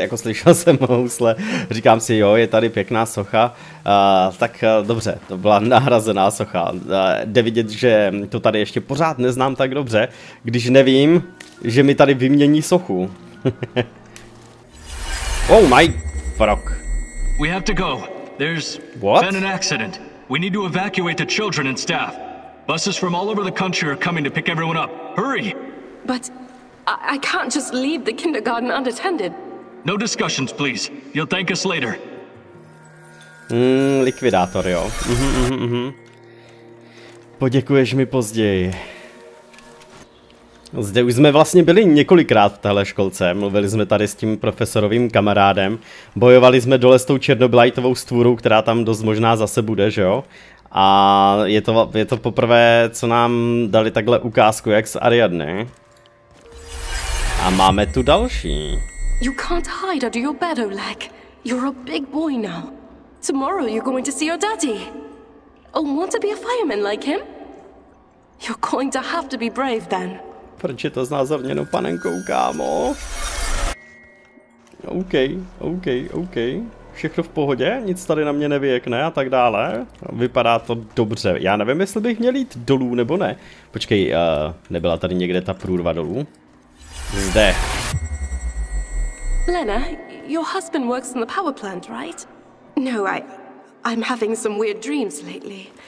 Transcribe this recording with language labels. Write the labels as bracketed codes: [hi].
[cs] Jako slyšel jsem housle. Říkám si, jo, je tady pěkná socha. Tak dobře, to byla nahrazená socha. Jde vidět, že to tady ještě pořád neznám tak dobře, když nevím, že mi tady vymění sochu. [en] Oh my frog. We have to go. There's been an accident. We need to evacuate the children and staff. Buses from all over the country are coming to pick everyone up. Hurry. But I can't just leave the kindergarten unattended. No discussions, please. You'll thank us later. [cs] Likvidátor, jo. Poděkuješ mi později. Zde už jsme vlastně byli několikrát v téhle školce, mluvili jsme tady s tím profesorovým kamarádem, bojovali jsme dole s tou černobylajtovou stvůrou, která tam dost možná zase bude, že jo? A je to poprvé, co nám dali takhle ukázku, jak z Ariadny. A máme tu další. [en] You can't hide under your bed, Oleg. You're a big boy now. Tomorrow you're going to see your daddy. Oh, want to be a fireman like him? You're going to have to be brave then. [cs] Proč je to znázorněno panenkou, kámo? OK. Všechno v pohodě, nic tady na mě nevyjekne a tak dále. Vypadá to dobře. Já nevím, jestli bych měl jít dolů nebo ne. Počkej, nebyla tady někde ta průrva dolů? Zde. [en] Lena, your husband works in the power plant, right? No, I'm having some weird dreams lately.